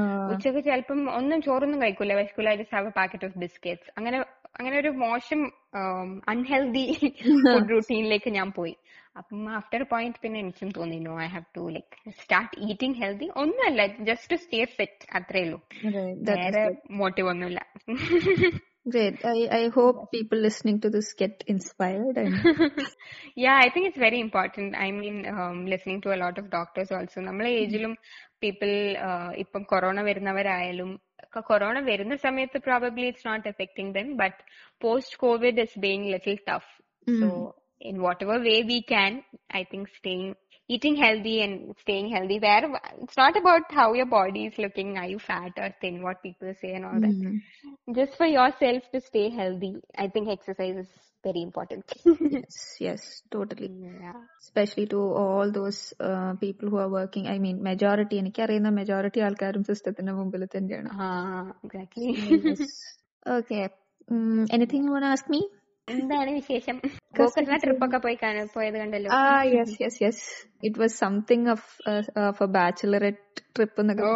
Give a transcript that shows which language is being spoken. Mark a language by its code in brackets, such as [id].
[ml] ഉച്ചക്ക് ചിലപ്പം ഒന്നും ചോറൊന്നും കഴിക്കൂല, വിശക്കൂല, [en] I just have a packet of biscuits. [ml] അങ്ങനെ അങ്ങനെ ഒരു മോശം അൺഹെൽതി ഫുഡ് റൂട്ടീനിലേക്ക് ഞാൻ പോയി. അപ്പം [en] after point [ml] പിന്നെ എനിക്കും തോന്നി [en] No I have to like start eating healthy. [ml] ഒന്നുമല്ല, [en] just to stay fit, [ml] അത്രേയുള്ളൂ, വേറെ മോട്ടീവ് ഒന്നുമില്ല. [en] Great. I hope people listening to this get inspired. And... yeah, I think it's very important. I mean, listening to a lot of doctors also. [ml] നമ്മളെ ഏജിലും [en] people [ml] ഇപ്പം corona വരുന്നവരായാലും, corona വരുന്ന സമയത്ത് [en] probably it's not affecting them, but post-COVID is being a little tough. So, in whatever way we can, I think staying, eating healthy and staying healthy, where it's not about how your body is looking, are you fat or thin, what people say and all that. Just for yourself to stay healthy, I think exercise is very important. yes, totally. Yeah. Especially to all those people who are working. I mean, majority, [ml] എനിക്ക് അറിയുന്ന majority ആൾക്കാരും സിസ്റ്റത്തിന്റെ മുമ്പിൽ തന്നെയാണ്. [en] Exactly. Okay. Anything you want to ask me? [ml] എന്താണ് വിശേഷം? Gokarna trip ഒക്കെ പോയി പോയത് കണ്ടല്ലോ. [en] ആ yes yes yes, it was something of a bachelorette trip എന്നൊക്കെ.